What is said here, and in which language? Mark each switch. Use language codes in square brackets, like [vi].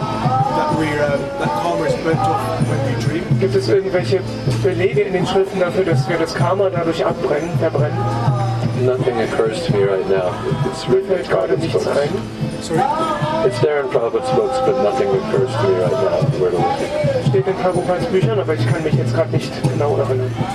[en] That we that karma is burnt off when we dream. [de] Gibt es irgendwelche Belege in den Schriften dafür, dass wir das Karma dadurch abbrennen, verbrennen? [en] Nothing occurs to me right now. It's written in Prabhupada's books. Ein? Sorry? It's there in Prabhupada's books, but nothing occurs to me right now. Where to look? [de] Steht in Prabhupada's Büchern, aber ich kann mich jetzt gerade nicht genau erinnern.